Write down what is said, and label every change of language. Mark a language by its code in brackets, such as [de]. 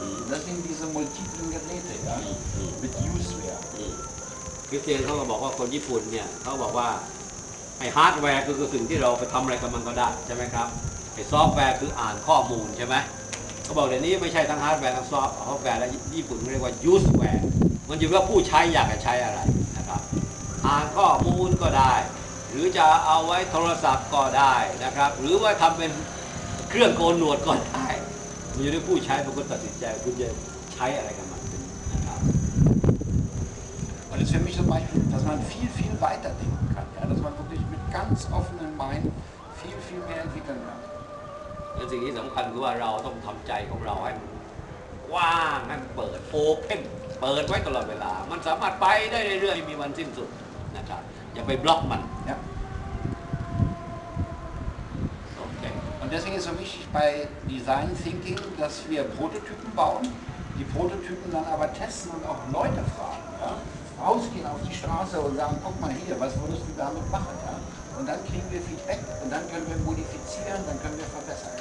[de] Das sind diese multiplen Geräte, ja, mit Usware. Christian hat gesagt, dass die Japaner, die haben gesagt, [th] ไอ้ฮาร์ดแวร์คือสิ่งที่เราไปทำอะไรกับมันก็ได้ใช่ไหมครับไอ้ซอฟต์แวร์คืออ่านข้อมูลใช่ไหมเขาบอกเดี๋ยวนี้ไม่ใช่ทั้งฮาร์ดแวร์ทั้งซอฟต์แวร์แล้วญี่ปุ่นเรียกว่ายูสแวร์ มันอยู่ว่าผู้ใช้อยากจะใช้อะไรนะครับอ่านข้อมูลก็ได้หรือจะเอาไว้โทรศัพท์ก็ได้นะครับหรือว่าทำเป็นเครื่องโกนหนวดก็ได้มันอยู่ที่ผู้ใช้เป็นคนตัดสินใจคุณจะใช้อะไรกันมันนะครับ [de] Und es ist für mich zum Beispiel, dass man viel viel weiter denken kann, ja, dass man wirklich mit ganz offenen Mind viel viel mehr entwickeln kann. Und das ist ganz wichtig, dass wir unsere Mind weit öffnen müssen. [th] ว่างั้นเปิดโอเพนเปิดไว้ตลอดเวลามันสามารถไปได้เรื่อยๆมีวันสิ้นสุดนะครับอย่าไปบล็อกมันนะ [de] โอเค und deswegen ist so wichtig bei design thinking dass wir prototypen bauen die prototypen dann aber testen und auch leute fragen ja rausgehen auf die straße und sagen guck mal hier was würdest du damit machen ja und dann kriegen wir feedback und dann können wir modifizieren dann können wir verbessern